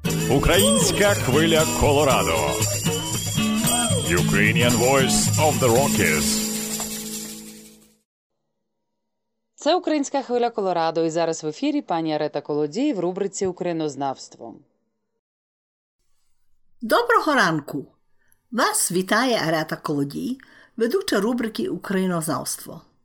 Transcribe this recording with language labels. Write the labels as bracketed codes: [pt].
[uk] Українська хвиля Колорадо. [en] Ukrainian Voice of the Rockies. [uk] Це Українська хвиля Колорадо, і зараз в ефірі пані Арета Колодій в рубриці «Українознавство». Доброго ранку! Вас вітає Арета Колодій, ведуча рубрики «Українознавство».